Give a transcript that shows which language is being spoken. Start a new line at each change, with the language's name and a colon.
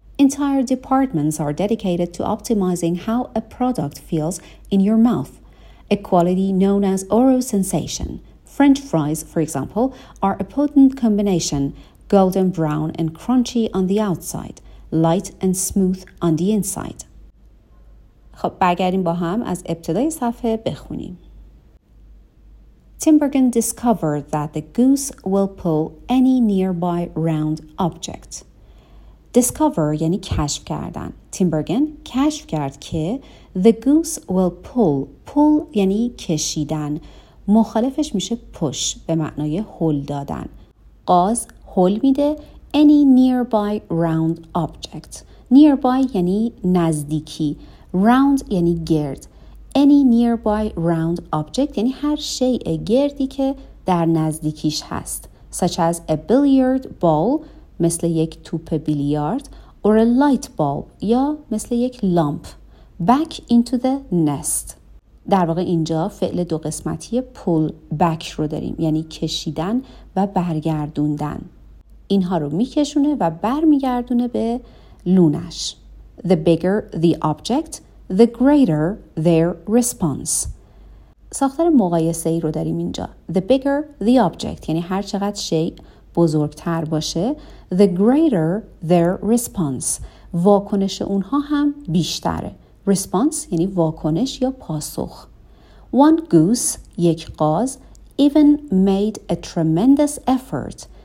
English: Entire departments are dedicated to optimizing how a product feels in your mouth, a quality known as orosensation. French fries, for example, are a potent combination, golden brown and crunchy on the outside, light and smooth on the inside.
Persian: خب برگردیم با هم از ابتدای صفحه بخونیم.
English: Tim Bergen discovered that the goose will pull any nearby round object.
Persian: Discover یعنی کشف کردن. Tim Bergen کشف کرد که
English: the goose will pull.
Persian: Pull یعنی کشیدن. مخالفش میشه push به معنای هل دادن. قاز هل میده
English: any nearby round object.
Persian: Nearby یعنی نزدیکی. Round یعنی گرد.
English: Any nearby round object
Persian: یعنی هر شیء گردی که در نزدیکیش هست.
English: Such as a billiard ball
Persian: مثل یک توپ بیلیارد
English: or a light bulb
Persian: یا مثل یک لامپ.
English: Back into the nest.
Persian: در واقع اینجا فعل دو قسمتی pull back رو داریم. یعنی کشیدن و برگردوندن. اینها رو میکشونه و برمیگردونه به لونش.
English: The bigger the object, the greater their response.
Persian: ساختار مقایسه‌ای رو داریم اینجا.
English: The bigger the object,
Persian: یعنی هر چقدر شیء بزرگتر باشه,
English: the greater their response.
Persian: واکنش اونها هم بیشتره.
English: Response
Persian: یعنی واکنش یا پاسخ.
English: One goose,
Persian: یک قاز,
English: even made a tremendous effort.